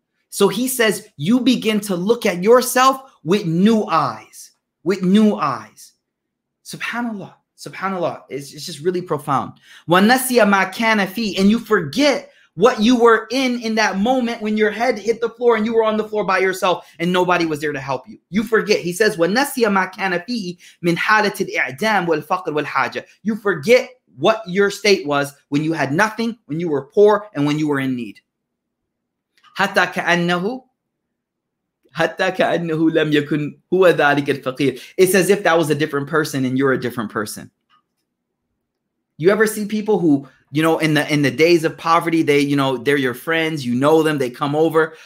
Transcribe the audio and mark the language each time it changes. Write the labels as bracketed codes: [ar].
[en] So he says you begin to look at yourself with new eyes, with new eyes. SubhanAllah, SubhanAllah, it's just really profound. [ar] وَنَسِيَ مَا كَانَ فِي, [en] and you forget what you were in that moment when your head hit the floor and you were on the floor by yourself and nobody was there to help you. You forget. He says, [ar] وَنَسِيَ مَا كَانَ فِي مِنْ حَالَةِ الْإِعْدَامِ وَالْفَقْرِ وَالْحَاجَةِ. [en] You forget what your state was when you had nothing, when you were poor, and when you were in need. [ar] حَتَّى كَأَنَّهُ لَمْ يَكُنْ هُوَ ذَلِكَ الْفَقِيرِ. [en] It's as if that was a different person and you're a different person. You ever see people who, you know, in the days of poverty, they, you know, they're your friends, you know them, they come over.